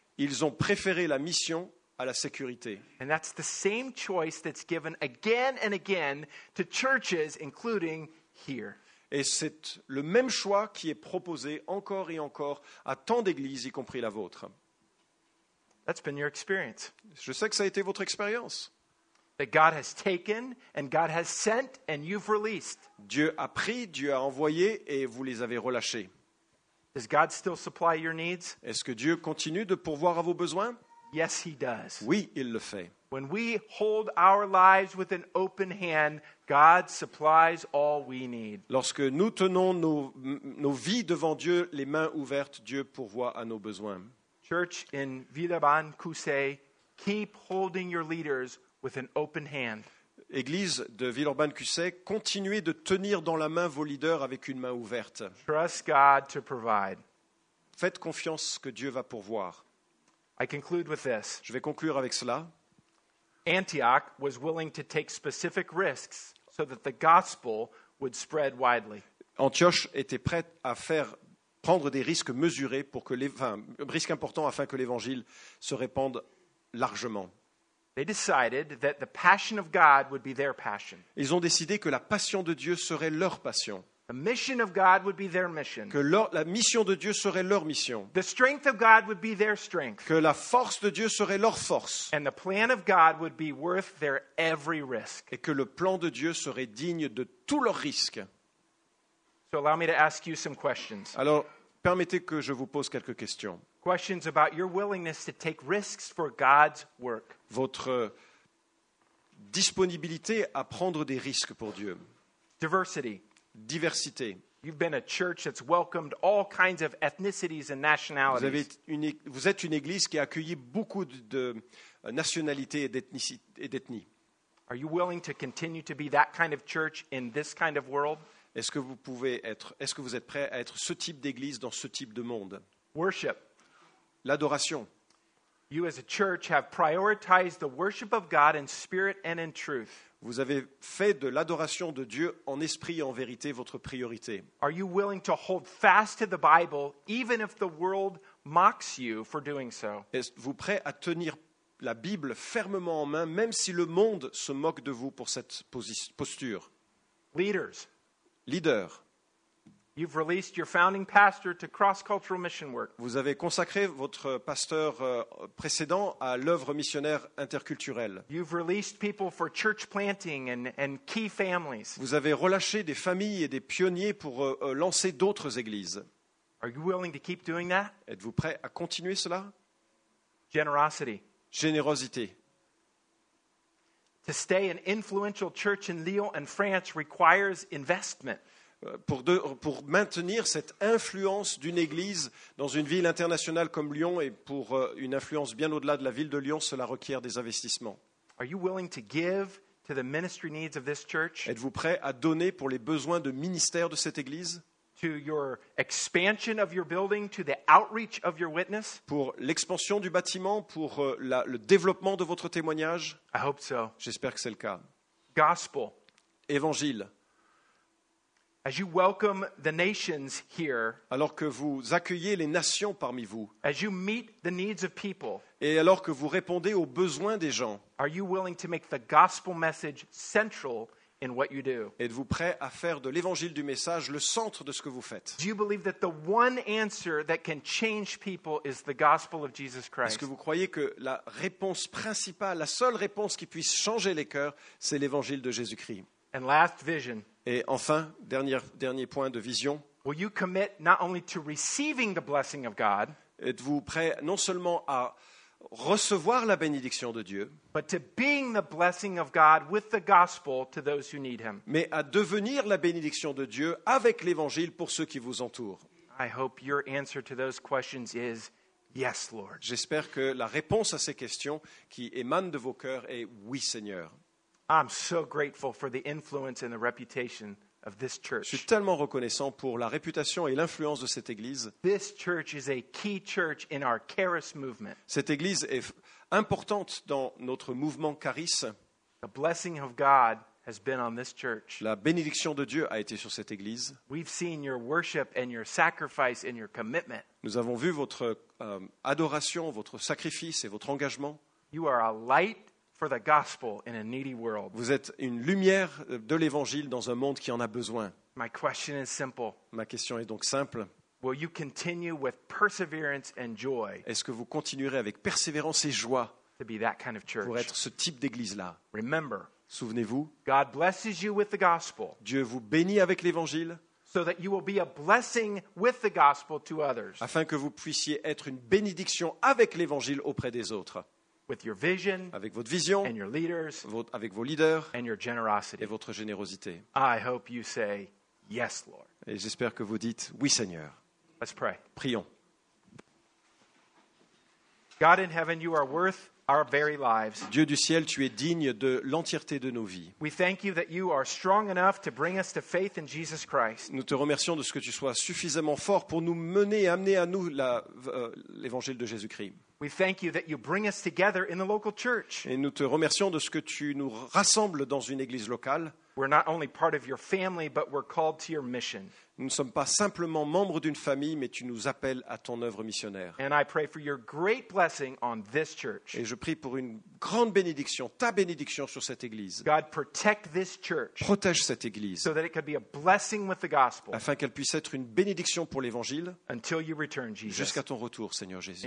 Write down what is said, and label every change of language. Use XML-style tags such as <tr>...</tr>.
<fr>Ils ont préféré la mission à la sécurité.</fr> <en>And that's the same choice that's given again and again to churches, including here.</en> <fr>Et c'est le même choix qui est proposé encore et encore à tant d'églises, y compris la vôtre.</fr> <en>That's been your experience.</en> <fr>Je sais que ça a été votre expérience.</fr> <en>That God has taken and God has sent and you've released.</en> <fr>Dieu a pris, Dieu a envoyé et vous les avez relâchés.</fr> <en>Does God still supply your needs?</en> <fr>Est-ce que Dieu continue de pourvoir à vos besoins?</fr> <en>Yes, he does.</en> <fr>Oui, il le fait.</fr> <en>When we hold our lives with an open hand, God supplies all we need.</en> <fr>Lorsque nous tenons nos vies devant Dieu, les mains ouvertes, Dieu pourvoit à nos besoins.</fr> <en>Church in Villeurbanne, Coussay, keep holding your leaders with an open hand.</en> <fr>Église de Villeurbanne-Coussay, continuez de tenir dans la main vos leaders avec une main ouverte.</fr> <en>Trust God to provide.</en> <fr>Faites confiance que Dieu va pourvoir.</fr> <en>I conclude with this.</en> <fr>Je vais conclure avec cela.</fr> <en>Antioch was willing to take specific risks so that the gospel would spread widely.</en> <fr>Antioche était prête à prendre des risques mesurés risques importants afin que l'évangile se répande largement.</fr> <en>They decided that the passion of God would be their passion.</en> <fr>Ils ont décidé que la passion de Dieu serait leur passion.</fr> <en>The mission of God would be their mission.</en> <fr>Que la mission de Dieu serait leur mission.</fr> <en>The strength of God would be their strength.</en> <fr>Que la force de Dieu serait leur force.</fr> <en>And the plan of God would be worth their every risk.</en> <fr>Et que le plan de Dieu serait digne de tous leurs risques.</fr> <en>So allow me to ask you some questions.</en> <fr>Alors, permettez que je vous pose quelques questions.</fr> <en>Questions about your willingness to take risks for God's work.</en> <fr>Votre disponibilité à prendre des risques pour Dieu.</fr> <en>Diversity.</en> <fr>Diversité.</fr> <en>You've been a church that's welcomed all kinds of ethnicities and nationalities.</en> <fr>Vous êtes une église qui a accueilli beaucoup de nationalités et d'ethnies.</fr> <en>Are you willing to continue to be that kind of church in this kind of world?</en> <fr>Est-ce que vous êtes prêt à être ce type d'église dans ce type de monde?</fr> <en>Worship.</en> <fr>L'adoration.</fr> <en>You as a church have prioritized the worship of God in spirit and in truth.</en> <fr>Vous avez fait de l'adoration de Dieu en esprit et en vérité votre priorité.</fr> <en>Are you willing to hold fast to the Bible even if the world mocks you for doing so?</en> <fr>Êtes-vous prêt à tenir la Bible fermement en main même si le monde se moque de vous pour cette posture?</fr> <en>Leaders.</en> <fr>Leaders.</fr> <en>You've released your founding pastor to cross-cultural mission work.</en> <fr>Vous avez consacré votre pasteur précédent à l'œuvre missionnaire interculturelle.</fr> <en>You've released people for church planting and key families.</en> <fr>Vous avez relâché des familles et des pionniers pour lancer d'autres églises.</fr> <en>Are you willing to keep doing that?</en> <fr>Êtes-vous prêt à continuer cela?</fr> <en>Generosity.</en> <fr>Générosité.</fr> <en>To stay an influential church in Lyon and France requires investment.</en> <fr>pour maintenir cette influence d'une église dans une ville internationale comme Lyon, et pour une influence bien au-delà de la ville de Lyon, cela requiert des investissements.</fr> <en>Are you willing to give to the ministry needs of this church?</en> <fr>Êtes-vous prêt à donner pour les besoins de ministère de cette église?</fr> <en>To your expansion of your building, to the outreach of your witness?</en> <fr>Pour l'expansion du bâtiment, pour le développement de votre témoignage?</fr> <en>I hope so.</en> <fr>J'espère que c'est le cas.</fr> <en>Gospel.</en> <fr>Évangile.</fr> <en>As you welcome the nations here,</en> <fr>alors que vous accueillez les nations parmi vous,</fr> <en>as you meet the needs of people,</en> <fr>et alors que vous répondez aux besoins des gens,</fr> <en>are you willing to make the gospel message central in what you do?</en> <fr>Êtes-vous prêt à faire de l'évangile du message le centre de ce que vous faites?</fr> <en>Do you believe that the one answer that can change people is the gospel of Jesus Christ?</en> <fr>Est-ce que vous croyez que la réponse principale, la seule réponse qui puisse changer les cœurs, c'est l'évangile de Jésus-Christ?</fr> <en>And last vision.</en> <fr>Et enfin, dernier point de vision.</fr> <en>Will you commit not only to receiving the blessing of God?</en> <fr>Êtes-vous prêt non seulement à recevoir la bénédiction de Dieu,</fr> <en>but to being the blessing of God with the gospel to those who need him?</en> <fr>Mais à devenir la bénédiction de Dieu avec l'évangile pour ceux qui vous entourent.</fr> <en>I hope your answer to those questions is yes, Lord.</en> <fr>J'espère que la réponse à ces questions qui émanent de vos cœurs est oui, Seigneur.</fr> <en>I'm so grateful for the influence and the reputation of this church.</en> <fr>Je suis tellement reconnaissant pour la réputation et l'influence de cette église.</fr> <en>This church is a key church in our Charis movement.</en> <fr>Cette église est importante dans notre mouvement Charis.</fr> <en>The blessing of God has been on this church.</en> <fr>La bénédiction de Dieu a été sur cette église.</fr> <en>We've seen your worship and your sacrifice and your commitment.</en> <fr>Nous avons vu votre adoration, votre sacrifice et votre engagement.</fr> <en>You are a light for the gospel in a needy world.</en> <fr>Vous êtes une lumière de l'évangile dans un monde qui en a besoin.</fr> <en>My question is simple.</en> <fr>Ma question est donc simple.</fr> <en>Will you continue with perseverance and joy?</en> <fr>Est-ce que vous continuerez avec persévérance et joie?</fr> <en>To be that kind of church.</en> <fr>Pour être ce type d'église-là.</fr> <en>Remember.</en> <fr>Souvenez-vous.</fr> <en>God blesses you with the gospel.</en> <fr>Dieu vous bénit avec l'évangile.</fr> <en>So that you will be a blessing with the gospel to others.</en> <fr>Afin que vous puissiez être une bénédiction avec l'évangile auprès des autres.</fr> <en>With your vision,</en> <fr>avec votre vision,</fr> <en>and your leaders,</en> <fr>avec vos leaders,</fr> <en>and your generosity,</en> <fr>et votre générosité.</fr> <en>I hope you say yes, Lord.</en> <fr>Et j'espère que vous dites oui, Seigneur.</fr> <en>Let's pray.</en> <fr>Prions.</fr> <en>God in heaven, you are worth our very lives.</en> <fr>Dieu du ciel, tu es digne de l'entièreté de nos vies.</fr> <en>We thank you that you are strong enough to bring us to faith in Jesus Christ.</en> <fr>Nous te remercions de ce que tu sois suffisamment fort pour nous mener et amener à nous l'évangile de Jésus-Christ.</fr> <en>We thank you that you bring us together in the local church.</en> <fr>Et nous te remercions de ce que tu nous rassembles dans une église locale.</fr> <en>We're not only part of your family, but we're called to your mission.</en> <fr>Nous ne sommes pas simplement membres d'une famille, mais tu nous appelles à ton œuvre missionnaire.</fr> <en>And I pray for your great blessing on this church.</en> <fr>Et je prie pour une grande bénédiction, ta bénédiction sur cette église.</fr> <en>God, protect this church.</en> <fr>Protège cette église.</fr> <en>So that it could be a blessing with the gospel.</en> <fr>Afin qu'elle puisse être une bénédiction pour l'évangile.</fr> <en>Until you return, Jesus.</en> <fr>Jusqu'à ton retour, Seigneur Jésus.</fr>